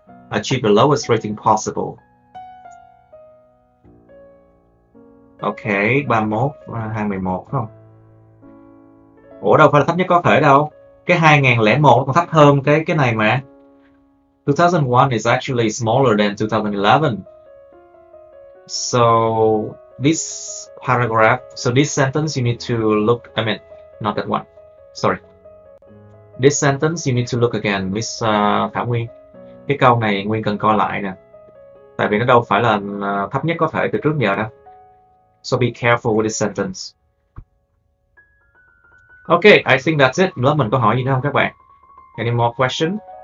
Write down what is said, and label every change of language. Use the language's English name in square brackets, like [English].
[English] Achieve the lowest rating possible. [Vietnamese] Ok, 31, 21 phải không? Ủa đâu phải là thấp nhất có thể đâu. Cái 2001 còn thấp hơn cái này mà. [English] 2001 is actually smaller than 2011. So this paragraph, so this sentence you need to look, I mean, not that one, sorry. This sentence you need to look again, Miss Thảo Nguyên. [Vietnamese] Cái câu này Nguyên cần coi lại nè. Tại vì nó đâu phải là thấp nhất có thể từ trước giờ đâu. [English] So be careful with this sentence. [Vietnamese] Ok, [English] I think that's it. [Vietnamese] Nữa mình có hỏi gì nữa không các bạn? [English] Any more question?